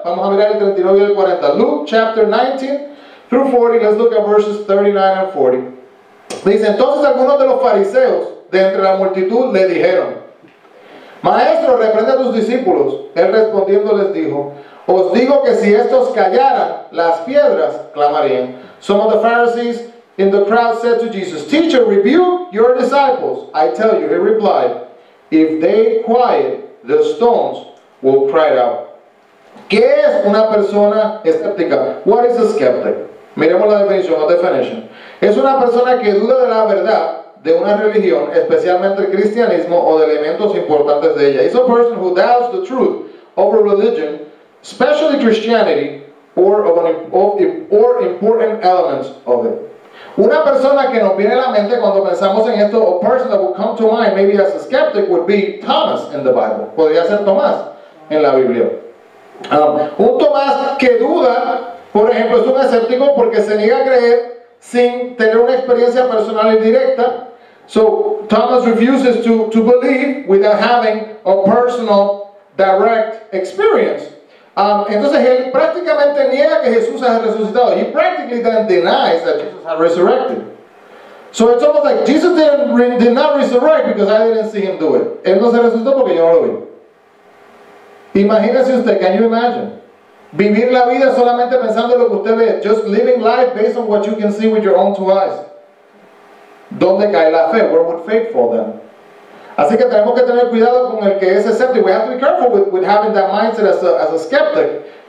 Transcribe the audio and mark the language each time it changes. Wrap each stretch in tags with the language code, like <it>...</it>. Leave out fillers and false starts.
<es>Vamos a mirar el 39 y el 40.</es> <en>Luke chapter 19 through 40. Let's look at verses 39 and 40.</en> <es>Dice, entonces algunos de los fariseos de entre la multitud le dijeron, Maestro, reprende a tus discípulos. Él respondiendo les dijo, Os digo que si estos callaran, las piedras clamarían.</es> <en>Some of the Pharisees in the crowd said to Jesus, Teacher, rebuke your disciples. I tell you, he replied, If they quiet, the stones will cry out.</en> <es>¿Qué es una persona escéptica?</es> <en>What is a skeptic?</en> <es>Miremos la definición, Es una persona que duda de la verdad de una religión, especialmente el cristianismo o de elementos importantes de ella.</es> <en>It's a person who doubts the truth of a religion, especially Christianity, or important elements of it.</en> <es>Una persona que nos viene a la mente cuando pensamos en esto,</es> <en>a person that would come to mind maybe as a skeptic would be Thomas in the Bible.</en> <es>Podría ser Tomás en la Biblia. Un Tomás que duda, por ejemplo, es un escéptico porque se niega a creer sin tener una experiencia personal y directa.</es> <en>So Thomas refuses to believe without having a personal direct experience.</en> <es>Entonces él prácticamente niega que Jesús haya resucitado.</es> <en>He practically then denies that Jesus had resurrected. So it's almost like Jesus did not resurrect because I didn't see him do it.</en> <es>Él no se resucitó porque yo no lo vi. Imagínese usted,</es> <en>can you imagine?</en> <es>Vivir la vida solamente pensando en lo que usted ve.</es> <en>Just living life based on what you can see with your own two eyes.</en> <es>¿Dónde cae la fe?</es> <en>Where would faith fall then?</en> <es>Así que tenemos que tener cuidado con el que es escéptico.</es> <en>We have to be careful with having that mindset as a skeptic.</en>